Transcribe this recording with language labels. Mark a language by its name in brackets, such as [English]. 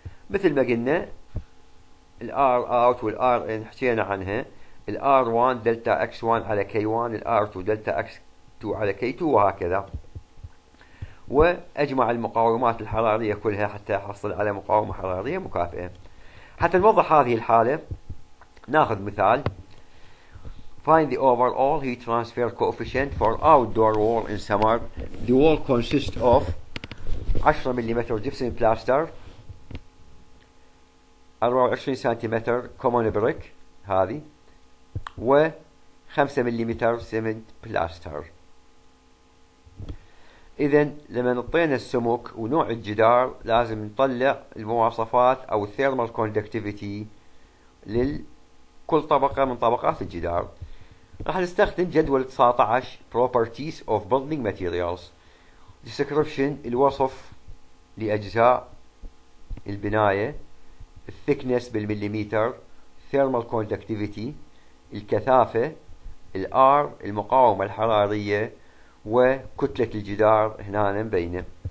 [Arabic] مثل ما قلنا الـ R out والـ R in حكينا عنها، الـ R1 دلتا X1 على K1، الـ R2 دلتا X2 على K2 وهكذا. وأجمع المقاومات الحرارية كلها حتى أحصل على مقاومة حرارية مكافئة. حتى نوضح هذه الحالة ناخذ مثال. [English] Find the overall heat transfer coefficient for outdoor wall in summer. The wall consists of 10 mm gypsum plaster, 24 cm common brick [Arabic] هذه، [English] و 5 mm cement plaster. [Arabic] إذا لما نطينا السمك ونوع الجدار لازم نطلع المواصفات أو thermal conductivity لكل طبقة من طبقات الجدار. راح نستخدم جدول 19 Properties of Building Materials Description، الوصف لأجزاء البناية، Thickness بالمليمتر، Thermal Conductivity الكثافة، الـ R المقاومة الحرارية، وكتلة الجدار هنا مبينة.